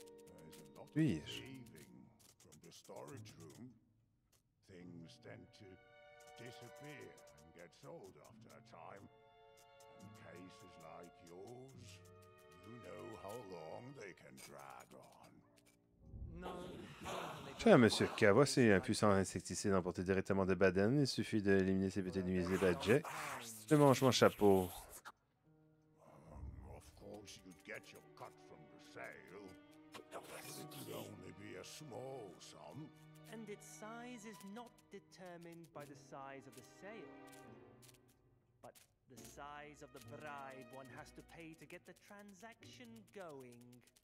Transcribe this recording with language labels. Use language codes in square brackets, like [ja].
[en] There's a lot of leaving from the storage room. Things tend to disappear and get sold after a time. In cases like yours, you know how long they can drag on. [fr] Tiens, Monsieur K, voici un puissant insecticide emporté directement de Baden. Il suffit d'éliminer ces petites nuisibles à Jay. Je mange mon chapeau. [en] Of course, you'd get your cut from the sale. It would only be a small sum. And its size is not determined by the size of the sale, but the size of the bribe one has to pay to get the transaction going.